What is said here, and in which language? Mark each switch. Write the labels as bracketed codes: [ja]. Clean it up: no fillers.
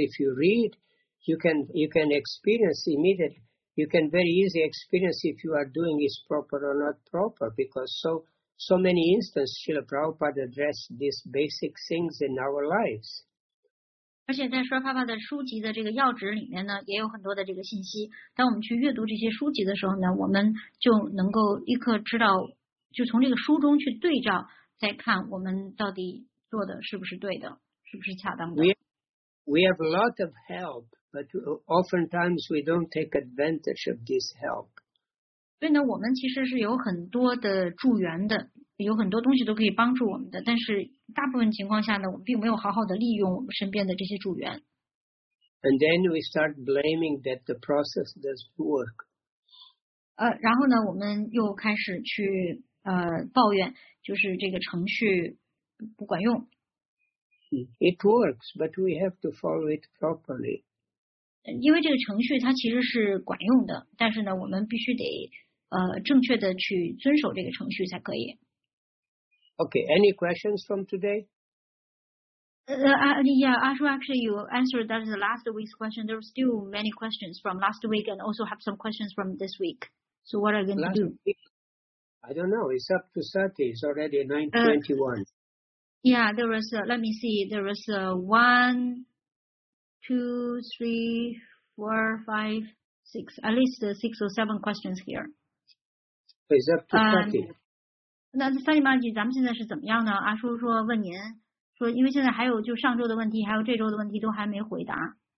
[en] If you read, you can experience immediately. You can very easily experience if you are doing this proper or not proper, because so many instances Srila Prabhupada addressed these basic things in our lives. [zh] 而且在 Srila Prabhupada 的书籍的这个要旨里面呢，也有很多的这个信息。当我们去阅读这些书籍的时候呢，我们就能够立刻知道，就从这个书中去对照，再看我们到底做的是不是对的，是不是恰当的。 [en] We have a lot of help, but oftentimes we don't take advantage of this help. [zh] 所以呢，我们其实是有很多的助缘的，有很多东西都可以帮助我们的，但是大部分情况下呢，我们并没有好好的利用我们身边的这些助缘。 [en] And then we start blaming that the process doesn't work. [zh] 然后呢，我们又开始去抱怨，就是这个程序不管用。 [en] It works, but we have to follow it properly. [zh] 因为这个程序它其实是管用的，但是呢，我们必须得正确的去遵守这个程序才可以。 [en] Okay, any questions from today? Actually, you answered that is the last week's question. There are still many questions from last week, and also have some questions from this week. So what are you going to do? I don't know. It's up to 30. It's already 9:21. Yeah, there was, let me see, there was 1, 2, 3, 4, 5, 6, at least 6 or 7 questions here. Is that to study? [zh] 那萨利玛吉，咱们现在是怎么样呢？阿叔说问您，说因为现在还有就上周的问题，还有这周的问题都还没回答。